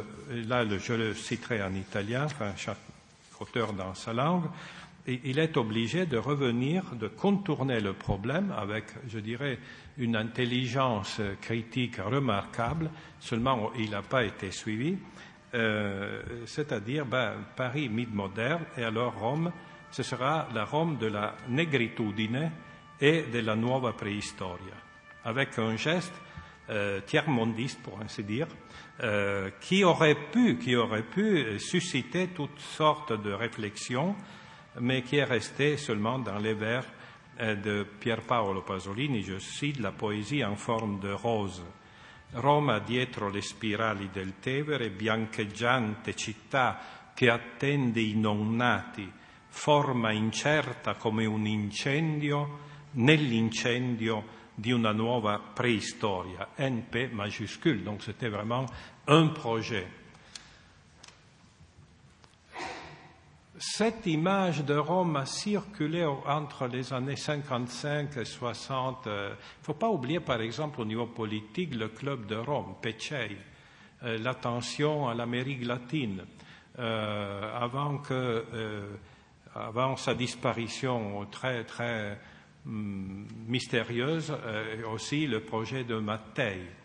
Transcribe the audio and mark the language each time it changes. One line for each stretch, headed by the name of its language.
French: je le citerai en italien, enfin, chaque auteur dans sa langue, il est obligé de revenir, de contourner le problème avec, je dirais, une intelligence critique remarquable, seulement il n'a pas été suivi, c'est-à-dire, Paris mid-moderne et alors Rome, ce sera la Rome de la negritudine et de la nuova preistoria, avec un geste tiers-mondiste, pour ainsi dire, qui aurait pu susciter toutes sortes de réflexions, mais qui est resté seulement dans les vers de Pier Paolo Pasolini, je cite, la poésie en forme de rose.
Italian: Roma dietro le spirali del Tevere, biancheggiante città che attende i non nati, forma incerta come un incendio nell'incendio di una nuova preistoria,
French: NP majuscule. Donc c'était vraiment un projet. Cette image de Rome a circulé entre les années 55 et 60. Il ne faut pas oublier, par exemple, au niveau politique, le club de Rome, Pecei, l'attention à l'Amérique latine, avant sa disparition très, très mystérieuse, aussi le projet de Mattei.